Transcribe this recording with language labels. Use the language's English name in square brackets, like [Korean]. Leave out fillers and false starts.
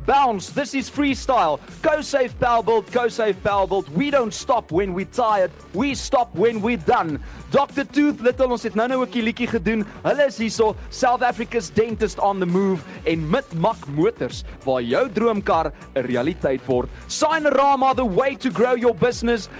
[English] Bounce, this is freestyle. Co-safe Powerbuild, co-safe Powerbuild. We don't stop when we're tired. We stop when we're done. Dr. [Afrikaans] Tooth Little, ons het nou ook 'n liedjie gedoen. [English] Hulle is hierso, South Africa's dentist on the move. [Afrikaans] En Mitmak Motors, waar jou droomkar 'n realiteit word. [English] Signorama, the way to grow your business.